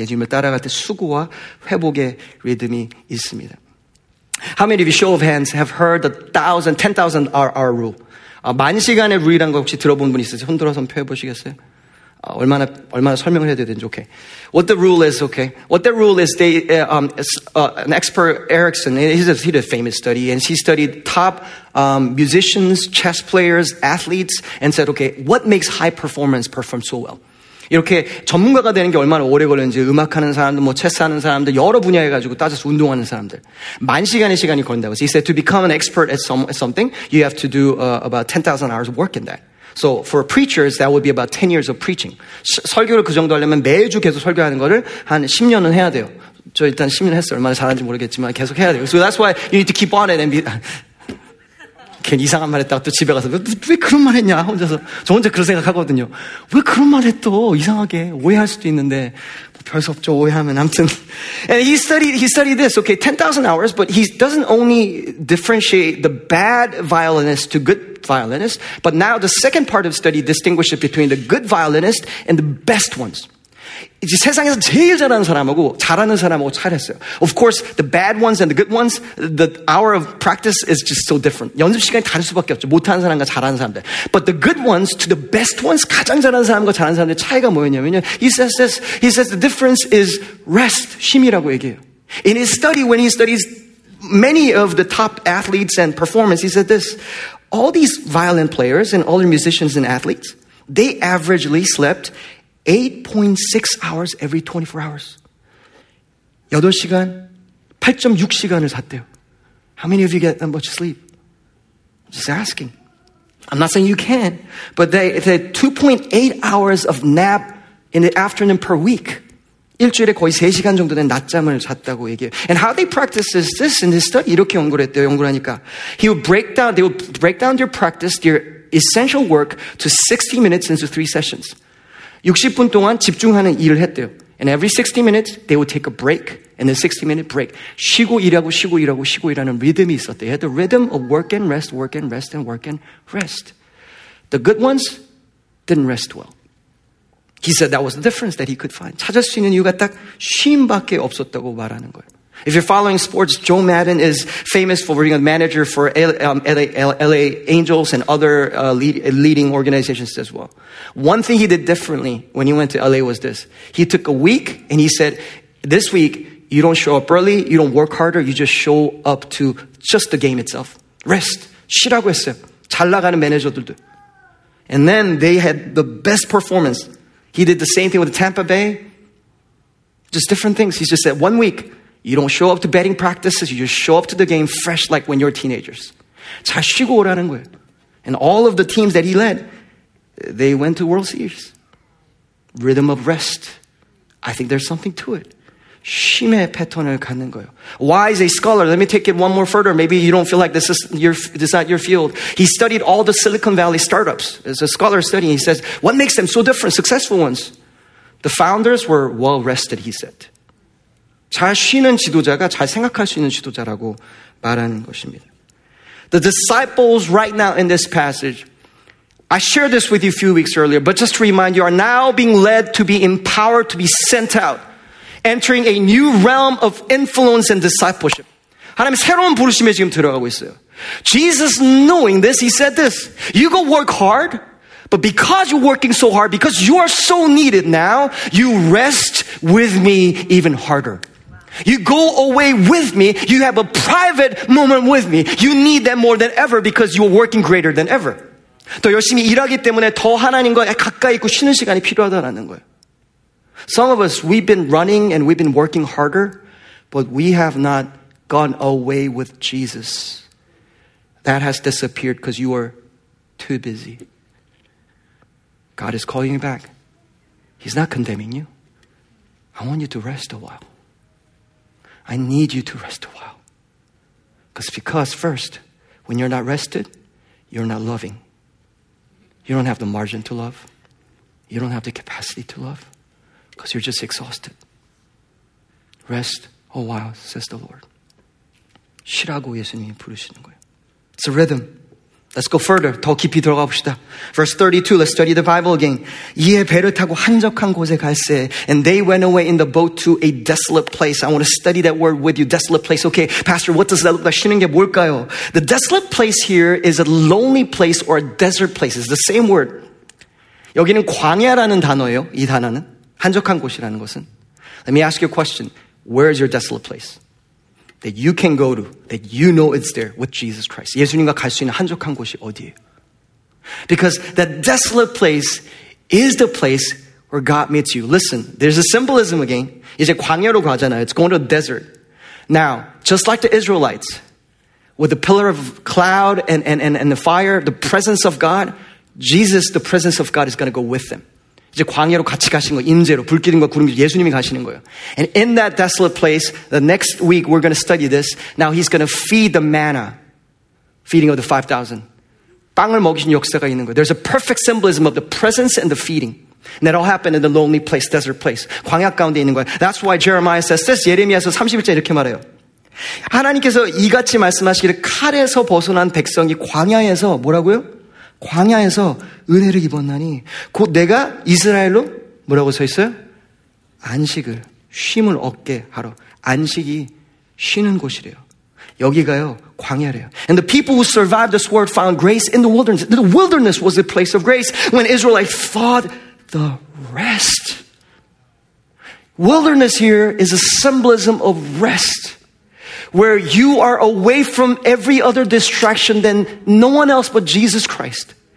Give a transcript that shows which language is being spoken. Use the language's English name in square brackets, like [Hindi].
[Korean] 예수님을 따라갈 때 수고와 회복의 리듬이 있습니다. [English] How many of you, show of hands, have heard the 1,000, 10,000 RR rule? [Korean] 만 시간의 룰이란 거 혹시 들어본 분 있으세요? 손 들어서 한번 펴보시겠어요? 얼마나 설명을 해야 되는지, [English] okay. What the rule is, okay. What the rule is, an expert, Erickson, he did a famous study, and he studied top musicians, chess players, athletes, and said, okay, what makes high performance perform so well? [Korean] 이렇게 전문가가 되는 게 얼마나 오래 걸리는지 음악하는 사람들, 뭐 체스하는 사람들 여러 분야에 가지고 따져서 운동하는 사람들 만 시간의 시간이 걸린다고 해서 [English] he said to become an expert at something you have to do about 10,000 hours of work in that. So for preachers that would be about 10 years of preaching. [Korean] 설교를 그 정도 하려면 매주 계속 설교하는 거를 한 10년은 해야 돼요. 저 일단 10년 했어요. 얼마나 잘하는지 모르겠지만 계속 해야 돼요. [English] So that's why you need to keep on it and be [Korean] 괜히 이상한 말 했다가 또 집에 가서 왜 그런 말 했냐 혼자서 저 혼자 그런 생각 하거든요 왜 그런 말 했어 이상하게 오해할 수도 있는데 뭐 별 수 없죠 오해하면 아무튼 [English] and he studied this okay 10,000 hours but he doesn't only differentiate the bad violinist to good violinist but now the second part of study distinguishes between the good violinist and the best ones [Korean] 이제 세상에서 제일 잘하는 사람하고 잘하는 사람하고 차이했어요. [English] Of course, the bad ones and the good ones, the hour of practice is just so different. [Korean] 연습 시간이 다를 수밖에 없죠. 못하는 사람과 잘하는 사람들. [English] But the good ones to the best ones, [Korean] 가장 잘하는 사람과 잘하는 사람들 차이가 뭐였냐면요. [English] He says the difference is rest, [Korean] 쉼이라고 얘기해요. [English] In his study, when he studies many of the top athletes and performers, he said this, all these violin players and all the musicians and athletes, they averagely slept 8.6 hours every 24 hours. [Korean] 8시간, 8.6시간을 잤대요. [English] How many of you get that much sleep? I'm just asking. I'm not saying you can, but they 2.8 hours of nap in the afternoon per week. [Korean] 일주일에 거의 3시간 정도는 낮잠을 잤다고 얘기해요. [English] And how they practice this in this study? [Korean] 이렇게 연구를 했대요, 연구를 하니까. [English] They would break down their practice, their essential work to 60 minutes into 3 sessions. [Korean] 60분 동안 집중하는 일을 했대요. [English] And every 60 minutes, they would take a break. And then 60 minute break. [Korean] 쉬고 일하고 쉬고 일하고 쉬고 일하는 리듬이 있었대요. [English] They had the rhythm of work and rest, work and rest, and work and rest. The good ones didn't rest well. He said that was the difference that he could find. [Korean] 찾을 수 있는 이유가 딱 쉼밖에 없었다고 말하는 거예요. [English] If you're following sports, Joe Madden is famous for being a manager for LA Angels and other leading organizations as well. One thing he did differently when he went to LA was this. He took a week and he said, this week, you don't show up early, you don't work harder, you just show up to just the game itself. Rest. [Korean] 쉬라고 했어요. 잘 나가는 매니저들도. [English] And then they had the best performance. He did the same thing with Tampa Bay. Just different things. He just said, one week, you don't show up to batting practices. You just show up to the game fresh like when you're teenagers. [Korean] 잘 쉬고 오라는 거예요. [English] And all of the teams that he led, they went to World Series. Rhythm of rest. I think there's something to it. [Korean] 쉼의 패턴을 갖는 거예요. [English] Why is a scholar? Let me take it one more further. Maybe you don't feel like this is not your field. He studied all the Silicon Valley startups. As a scholar studying, he says, what makes them so different, successful ones? The founders were well-rested, he said. [Korean] 잘 쉬는 지도자가 잘 생각할 수 있는 지도자라고 말하는 것입니다. [English] The disciples right now in this passage, I shared this with you a few weeks earlier, but just to remind you, are now being led to be empowered to be sent out, entering a new realm of influence and discipleship. [Korean] 하나님 새로운 부르심에 지금 들어가고 있어요. [English] Jesus, knowing this, he said this, you go work hard, but because you're working so hard, because you are so needed now, you rest with me even harder. You go away with me, you have a private moment with me. You need that more than ever because you're working greater than ever. [Korean] 더 열심히 일하기 때문에 더 하나님과 가까이 있고 쉬는 시간이 필요하다는 거예요. [English] Some of us, we've been running and we've been working harder, but we have not gone away with Jesus. That has disappeared because you are too busy. God is calling you back. He's not condemning you. I want you to rest a while. I need you to rest a while. Because first, when you're not rested, you're not loving. You don't have the margin to love. You don't have the capacity to love. Because you're just exhausted. Rest a while, says the Lord. [Korean] 쉬라고 예수님이 부르시는 거예요. [English] It's a rhythm. Let's go further. [Korean] 더 깊이 들어가 봅시다. [English] Verse 32, let's study the Bible again. [Korean] 이에 배를 타고 한적한 곳에 갈세. [English] And they went away in the boat to a desolate place. I want to study that word with you. Desolate place. Okay, Pastor, what does that look like? [Korean] 쉬는 게 뭘까요? [English] The desolate place here is a lonely place or a desert place. It's the same word. [Korean] 여기는 광야라는 단어예요. 이 단어는. 한적한 곳이라는 것은. [English] Let me ask you a question. Where is your desolate place? That you can go to, that you know it's there with Jesus Christ. [Korean] 예수님과 갈 수 있는 한적한 곳이 어디예요? [English] Because that desolate place is the place where God meets you. Listen, there's a symbolism again. [Korean] 이제 광야로 가잖아요. [English] It's going to a desert. Now, just like the Israelites, with the pillar of cloud and the fire, the presence of God, Jesus, the presence of God is going to go with them. [Korean] 이제 광야로 같이 가신 거 임재로 불기둥과 구름기둥 예수님이 가시는 거예요. [English] And in that desolate place, the next week we're going to study this. Now he's going to feed the manna, feeding of the 5,000. [Korean] 빵을 먹이신 역사가 있는 거예요. [English] There's a perfect symbolism of the presence and the feeding. And that all happened in the lonely place, desert place. [Korean] 광야 가운데 있는 거예요. [English] That's why Jeremiah says this. [Korean] 예레미야서 31장 이렇게 말해요. 하나님께서 이같이 말씀하시기를 칼에서 벗어난 백성이 광야에서 뭐라고요? 광야에서 은혜를 입었나니 곧 내가 이스라엘로 뭐라고 써 있어요? 안식을 쉼을 얻게 하러 안식이 쉬는 곳이래요. 여기가요 광야래요. [English] And the people who survived this war found grace in the wilderness. The wilderness was the place of grace when Israelites found the rest. Wilderness here is a symbolism of rest. Where you are away from every other distraction than no one else but Jesus Christ.